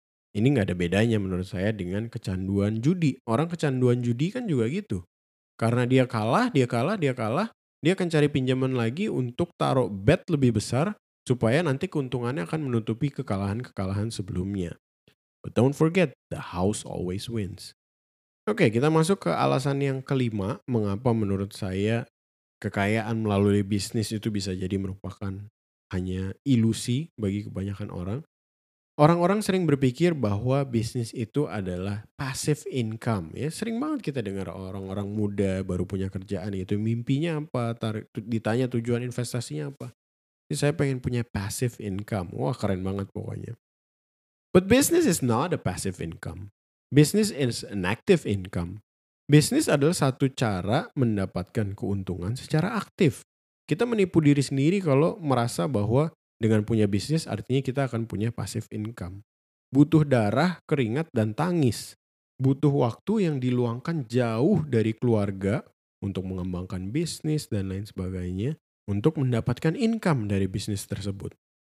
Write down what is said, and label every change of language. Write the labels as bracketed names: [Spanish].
[Indonesian] Ini gak ada bedanya menurut saya dengan kecanduan judi. Orang kecanduan judi kan juga gitu. Karena dia kalah, dia akan cari pinjaman lagi untuk taruh bet lebih besar supaya nanti keuntungannya akan menutupi kekalahan-kekalahan sebelumnya. [English] But don't forget, the house always wins. [Indonesian] Oke, kita masuk ke alasan yang kelima, mengapa menurut saya kekayaan melalui bisnis itu bisa jadi merupakan hanya ilusi bagi kebanyakan orang. Orang-orang sering berpikir bahwa bisnis itu adalah passive income. Ya, sering banget kita dengar orang-orang muda baru punya kerjaan itu mimpinya apa, ditanya tujuan investasinya apa. Jadi saya pengen punya passive income. Wah, keren banget pokoknya. [English] But business is not a passive income. Business is an active income. [Indonesian] Business adalah satu cara mendapatkan keuntungan secara aktif. Kita menipu diri sendiri kalau merasa bahwa dengan punya bisnis artinya kita akan punya passive income. Butuh darah, keringat, dan tangis. Butuh waktu yang diluangkan jauh dari keluarga untuk mengembangkan bisnis dan lain sebagainya untuk mendapatkan income dari bisnis tersebut.